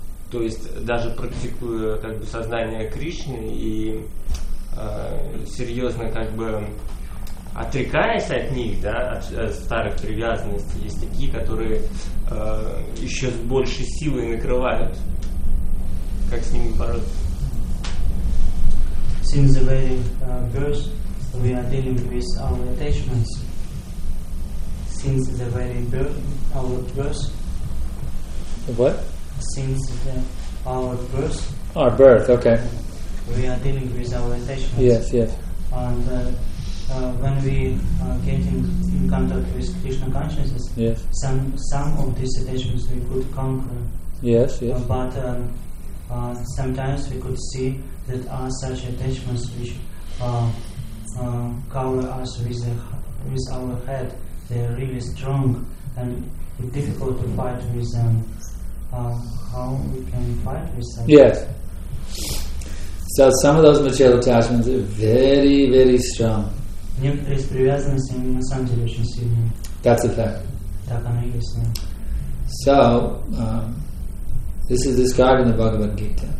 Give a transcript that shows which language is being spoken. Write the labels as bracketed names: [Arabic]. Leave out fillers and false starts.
[Russian] То есть даже практикуя как бы сознание Кришны и серьезно как бы отрекаясь от них, да, от старых привязанностей, есть такие, которые еще с большей силой накрывают. Как с ними бороться? [English] Since the very birth, we are dealing with our attachments. Since the very birth, our birth. What? Since the, our birth. Our birth, okay. We are dealing with our attachments. Yes, yes. And when we get in contact with Krishna consciousness, yes. Some of these attachments we could conquer. Yes, yes. But sometimes we could see that are such attachments which cover us with our head. They are really strong and it's difficult to fight with them. How we can fight with that? Yes. So some of those material attachments are very, very strong. [Russian] Некоторые из привязанностей они на самом деле очень сильные. [English] That's a fact. [Russian] Так оно и есть. [English] So this is described in the Bhagavad Gita.